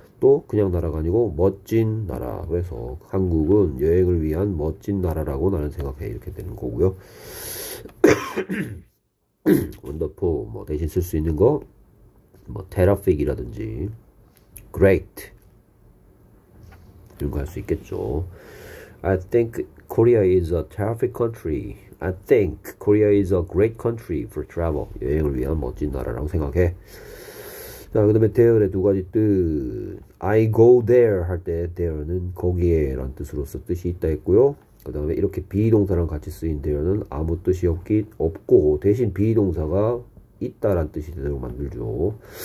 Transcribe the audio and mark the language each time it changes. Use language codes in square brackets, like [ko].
[ko] 또, 그냥 나라가 아니고, 멋진 나라. 그래서, 한국은 여행을 위한 멋진 나라라고 나는 생각해. 이렇게 되는 거고요. 원더풀 뭐 대신 쓸수 있는 거뭐 테라픽이라든지 그레이트 이런 거할수 있겠죠. [en] I think Korea is a terrific country. I think Korea is a great country for travel. [ko] 여행을 위한 멋진 나라라고 생각해. 자, 그다음에 there의 두 가지 뜻. I go there 할때 there는 거기에란 뜻으로서 뜻이 있다 했고요. 그 다음에 이렇게 비동사랑 같이 쓰인 대어는 아무 뜻이 없고 대신 비동사가 있다란 뜻이 되도록 만들죠.